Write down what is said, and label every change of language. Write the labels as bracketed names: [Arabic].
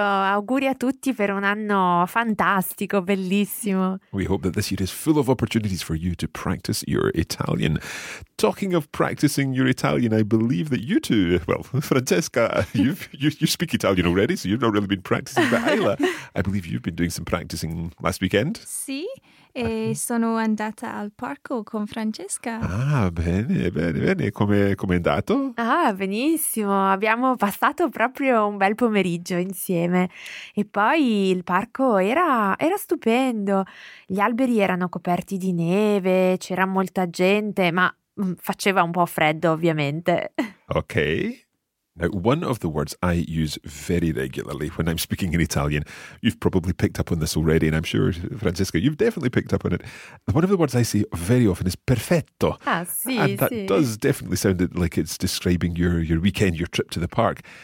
[Italian] Auguri a tutti per un anno fantastico, bellissimo. [English] We hope that this year is full of opportunities for you to practice your Italian. Talking of practicing your Italian, I believe that you two, well, Francesca, you speak Italian already, so you've not really been practicing, but Ayla, I believe you've been doing some practicing last weekend. [Italian] Sì, e sono andata al parco con Francesca. Ah, bene, bene, bene. Come è andato? Ah, benissimo. Abbiamo passato proprio un bel pomeriggio insieme. E poi il parco era stupendo. Gli alberi erano coperti di neve, c'era molta gente, ma faceva un po' freddo, ovviamente. Ok. [English] Now, one of the words I use very regularly when I'm speaking in Italian, you've probably picked up on this already, and I'm sure, Francesca, you've definitely picked up on it. One of the words I say very often is perfetto. [Italian] Ah, sì, [English] and That does definitely sound like it's describing your weekend, your trip to the park.